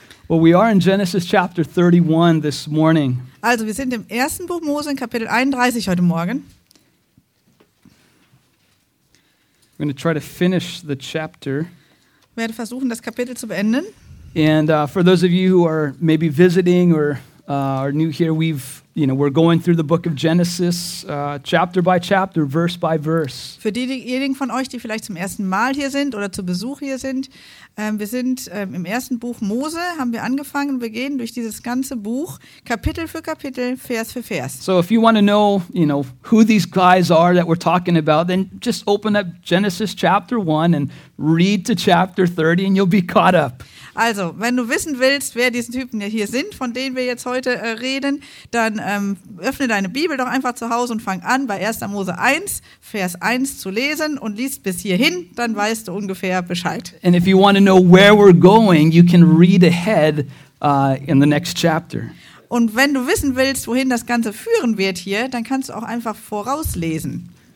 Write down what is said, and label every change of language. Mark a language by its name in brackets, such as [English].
[English] Well, we are in Genesis chapter 31 this morning. [German] Also, wir sind im ersten Buch Mose in Kapitel 31 heute Morgen. [English] I'm going to try to finish the chapter. [German] Wir werden versuchen, das Kapitel zu beenden. [English] And for those of you who are maybe visiting or are new here, we're going through the book of Genesis, chapter by chapter, verse by verse. [German] Für diejenigen von euch, die vielleicht zum ersten Mal hier sind oder zu Besuch hier sind, wir sind im ersten Buch Mose, haben wir angefangen, wir gehen durch dieses ganze Buch, Kapitel für Kapitel, Vers für Vers. [English] So if you want to know, you know, who these guys are that we're talking about, then just open up Genesis chapter 1 and read to chapter 30 and you'll be caught up. [German] Also, wenn du wissen willst, wer diese Typen hier sind, von denen wir jetzt heute reden, dann öffne deine Bibel doch einfach zu Hause und fang an, bei 1. Mose 1, Vers 1 zu lesen und liest bis hierhin, dann weißt du ungefähr Bescheid. [English] And if you want to know where we're going, you can read ahead in the next chapter. [German] Und wenn du wissen willst, wohin das Ganze führen wird hier, dann kannst du auch einfach vorauslesen.